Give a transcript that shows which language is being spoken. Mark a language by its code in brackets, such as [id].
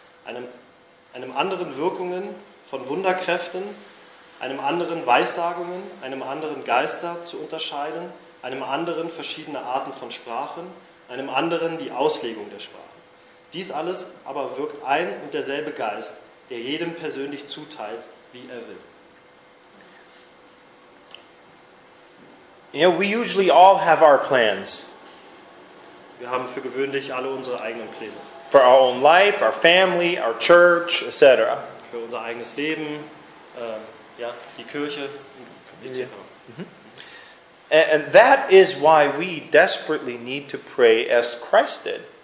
[de] Einem anderen Wirkungen von Wunderkräften, einem anderen Weissagungen, einem anderen Geister zu unterscheiden, einem anderen verschiedene Arten von Sprachen, einem anderen die Auslegung der Sprachen. Dies alles aber wirkt ein und derselbe Geist, der jedem persönlich zuteilt, wie er will. [en] You know, we usually all have our plans. [de] Wir haben für gewöhnlich alle unsere eigenen Pläne. [en] For our own life, our family, our church, etc. [de] Für unser eigenes Leben, ja, die Kirche, etc. [en] Yeah. And that is why we desperately need to pray as Christ did.